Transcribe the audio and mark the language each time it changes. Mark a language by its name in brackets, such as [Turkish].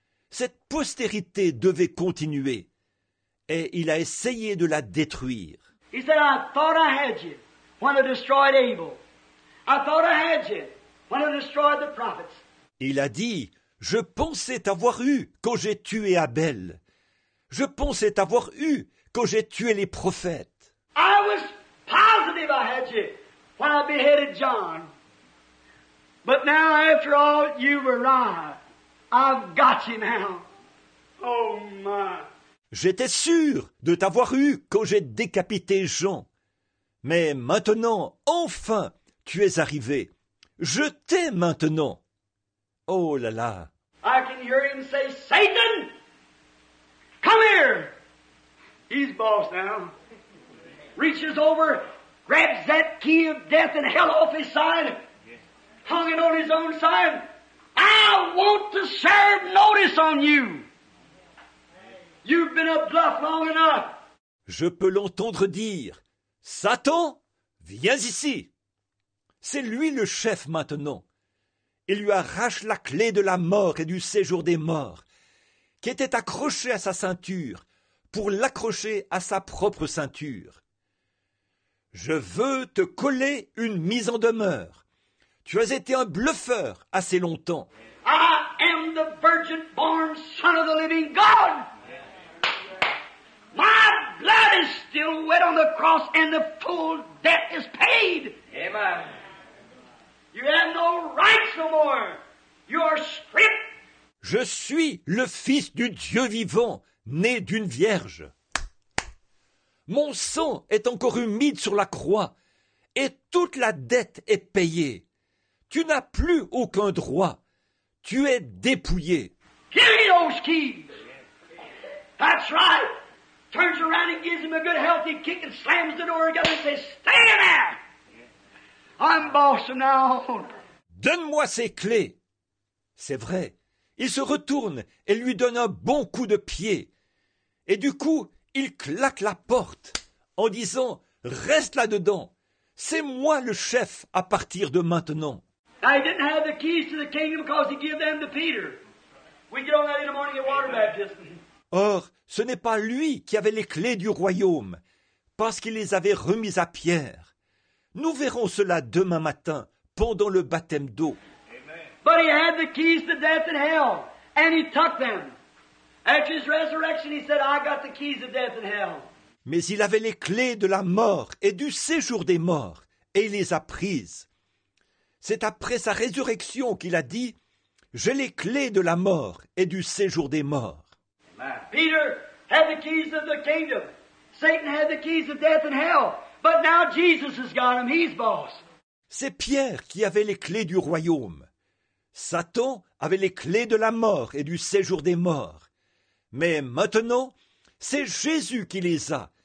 [French] Cette postérité devait continuer et il a essayé de la détruire. [English] He said, "I thought I had you when I destroyed Abel. I thought I had you when I destroyed the prophets." [French] Il a dit, "Je pensais t'avoir eu quand j'ai tué Abel. Je pensais t'avoir eu quand j'ai tué les prophètes." [English] I was positive I had you when I beheaded John. But now, after all you've arrived, I've got you now. Oh my. [French] J'étais sûr de t'avoir eu quand j'ai décapité Jean. Mais maintenant, enfin, tu es arrivé. Je t'ai maintenant. Oh là là. [English] I can hear him say, "Satan, come here." He's boss now. Reaches over, grabs that key of death and hell off his side. Hung it on his own side. "I want to serve notice on you. You've been a bluff long enough." [French] Je peux l'entendre dire, « Satan, viens ici !» C'est lui le chef maintenant. Il lui arrache la clé de la mort et du séjour des morts, qui était accrochée à sa ceinture, pour l'accrocher à sa propre ceinture. « Je veux te coller une mise en demeure. Tu as été un bluffeur assez longtemps. » [English] « I am the virgin-born son of the living God !» My blood is still wet on the cross and the full debt is paid. Amen. You have no rights no more. You are stripped. [French] Je suis le fils du Dieu vivant, né d'une vierge. Mon sang est encore humide sur la croix et toute la dette est payée. Tu n'as plus aucun droit. Tu es dépouillé. [English] Give me those keys. That's right. Turns around and gives him a good healthy kick and slams the door together and says, "Stay in there! I'm boss now." [French] Donne-moi ces clés. C'est vrai. Il se retourne et lui donne un bon coup de pied. Et du coup, il claque la porte en disant, "Reste là-dedans. C'est moi le chef à partir de maintenant." [English] I didn't have the keys to the kingdom because he gave them to Peter. We get on that in the morning at water baptism. [French] Or, ce n'est pas lui qui avait les clés du royaume, parce qu'il les avait remises à Pierre. Nous verrons cela demain matin, pendant le baptême d'eau. [English] But he had the keys to death and hell, and he took them. After his resurrection, he said, "I got the keys of death and hell." [French] Mais il avait les clés de la mort et du séjour des morts, et il les a prises. C'est après sa résurrection qu'il a dit, "J'ai les clés de la mort et du séjour des morts." [English] Peter had the keys of the kingdom. Satan had the keys of death and hell. But now Jesus has got him. He's boss. [French] C'est Pierre qui avait les clés du royaume. Satan avait les clés de la mort et du séjour des morts. Mais maintenant, c'est Jésus qui les a.